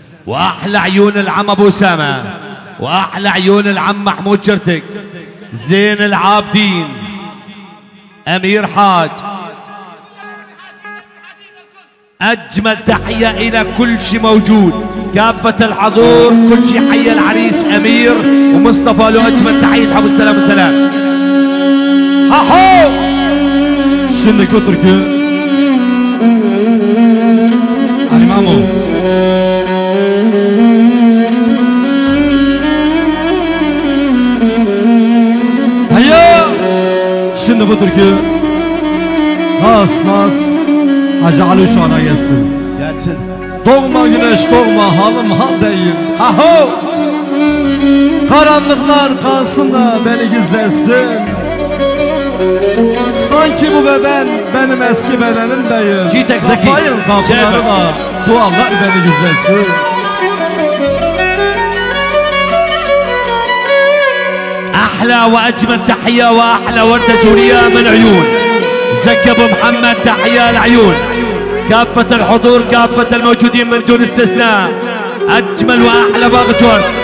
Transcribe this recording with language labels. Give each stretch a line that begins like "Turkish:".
Arabic: وأحلى عيون العم أبو سامة واحلى عيون العم محمود شرتك زين العابدين امير حاج اجمل تحيه الى كل شيء موجود كافه الحضور كل شيء حي العريس امير ومصطفى له اجمل تحيه حب السلام والسلام اهو شنو كترك علي مامو
Turkish: Şimdi bu türkü Nas nas Hacı Ali şu ana gelsin Gelsin Doğma güneş doğma halım hal değil Ha ho Karanlıklar kalsın da beni gizlesin Sanki bu beden benim eski bedenim değil Citek Zeki Kapayın kapıları da dualar beni gizlesin
Arabic: أحلى وأجمل تحية وأحلى وردة جورية من عيون زكي أبو محمد تحية العيون كافة الحضور كافة الموجودين من دون استثناء أجمل وأحلى باغتور